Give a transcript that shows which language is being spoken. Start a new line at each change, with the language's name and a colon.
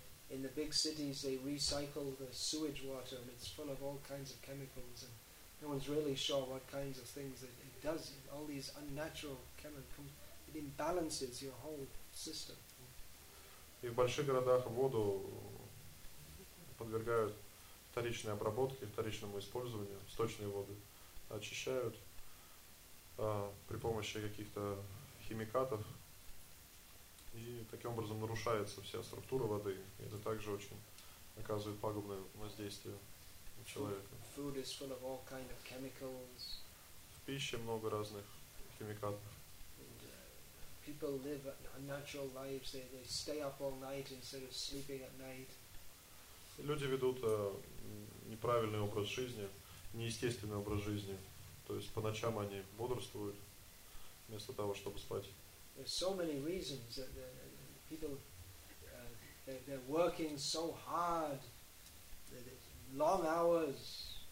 English: In the big cities, they recycle the sewage water, and it's full of all kinds of chemicals, and no one's really sure what kinds of things it does. All these unnatural chemicals, it imbalances your whole system.
Russian: И в больших городах воду подвергают вторичной обработке, вторичному использованию, сточные воды очищают при помощи каких-то химикатов. И таким образом нарушается вся структура воды. Это также очень оказывает пагубное воздействие на человека.
English: Food is full of all kind of chemicals.
Russian: В пище много разных химикатов.
English: People live unnatural lives. They stay up all night instead of sleeping at night.
Russian: Люди ведут неправильный образ жизни, неестественный образ жизни. То есть по ночам они бодрствуют вместо того, чтобы спать.
English: There's so many reasons that the people they're working so hard, long hours.